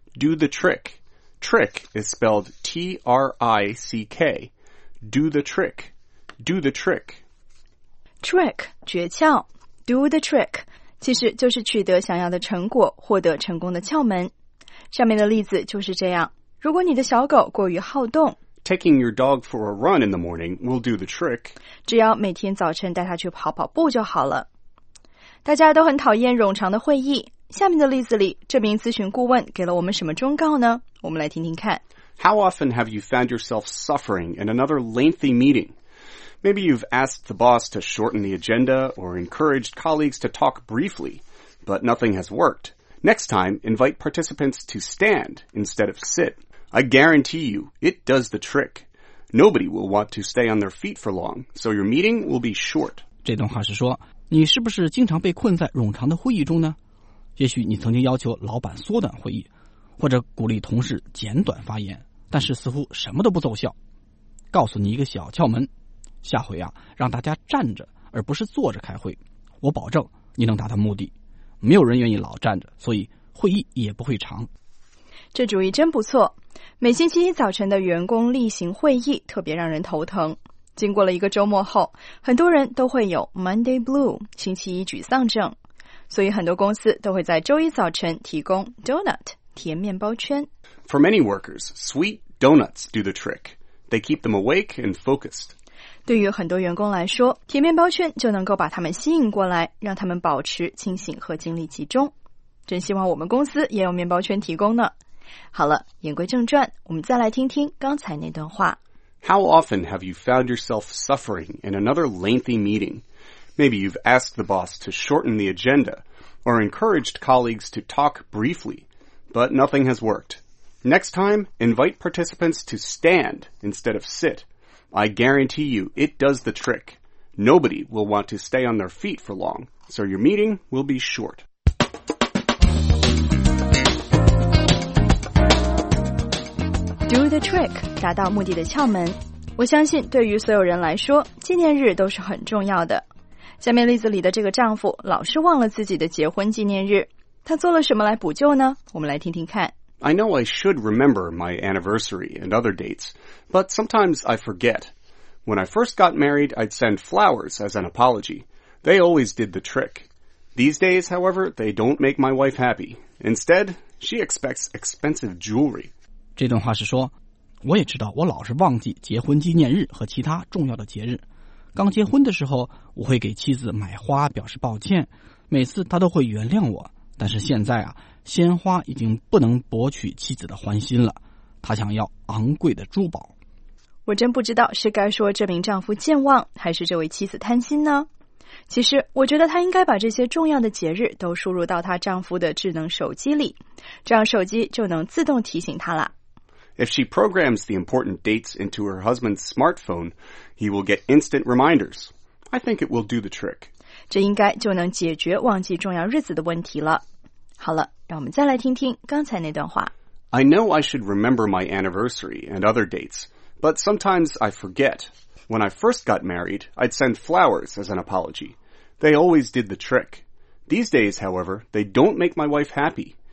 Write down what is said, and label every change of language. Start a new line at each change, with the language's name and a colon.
English: Do the trick. Trick is spelled T-R-I-C-K. Do the trick. Do the trick. Trick, 诀窍 Do the trick.
Chinese: 其实就是取得想要的成果，获得成功的窍门。上面的例子就是这样。如果你的小狗过于好动
English: Taking your dog for a run in the morning will do the trick.
Chinese: 只要每天早晨带它去跑跑步就好了。大家都很讨厌冗长的会议。下面的例子里，这名咨询顾问给了我们什么忠告呢？我们来听听看。
English: How often have you found yourself suffering in another lengthy meeting? Maybe you've asked the boss to shorten the agenda or encouraged colleagues to talk briefly, but nothing has worked. Next time, invite participants to stand instead of sit. I guarantee you, it does the trick. Nobody will want to stay on their feet for long, so your meeting will be short.
Chinese: 这段话是说，你是不是经常被困在冗长的会议中呢？也许你曾经要求老板缩短会议，或者鼓励同事简短发言，但是似乎什么都不奏效。告诉你一个小窍门，下回啊，让大家站着而不是坐着开会，我保证你能达到目的。没有人愿意老站着，所以会议也不会长。这主意真不错。每星期一早晨的员工例行会议特别让人头疼。经过了一个周末后，很多人都会有 Monday Blue, 星期一沮丧症。所以很多公司都会在周一早晨提供 donut, 甜面包圈。
English: For many workers, sweet donuts do the trick. They keep them awake and focused.
Chinese: 对于很多员工来说，甜面包圈就能够把他们吸引过来，让他们保持清醒和精力集中。真希望我们公司也有面包圈提供呢。好了，言归正传，我们再来听听刚才那段话。
English: How often have you found yourself suffering in another lengthy meeting? Maybe you've asked the boss to shorten the agenda or encouraged colleagues to talk briefly, but nothing has worked. Next time, invite participants to stand instead of sit. I guarantee you, it does the trick. Nobody will want to stay on their feet for long, so your meeting will be short.
Chinese: Do the trick, 达到目的的窍门。我相信对于所有人来说，纪念日都是很重要的。下面例子里的这个丈夫老是忘了自己的结婚纪念日，他做了什么来补救呢？我们来听听看。
English: I know I should remember my anniversary and other dates, but sometimes I forget. When I first got married, I'd send flowers as an apology. They always did the trick. These days, however, they don't make my wife happy. Instead, she expects expensive jewelry.
Chinese: 这段话是说，我也知道我老是忘记结婚纪念日和其他重要的节日。刚结婚的时候，我会给妻子买花表示抱歉，每次她都会原谅我。但是现在啊，鲜花已经不能博取妻子的欢心了，她想要昂贵的珠宝。我真不知道是该说这名丈夫健忘，还是这位妻子贪心呢？其实我觉得她应该把这些重要的节日都输入到她丈夫的智能手机里，这样手机就能自动提醒她了。
English: If she programs the important dates into her husband's smartphone, he will get instant reminders. I think it will do the trick.
Chinese: 这应该就能解决忘记重要日子的问题了。好了，让我们再来听听刚才那段话。
English: I know I should remember my anniversary and other dates, but sometimes I forget. When I first got married, I'd send flowers as an apology. They always did the trick. These days, however, they don't make my wife happy.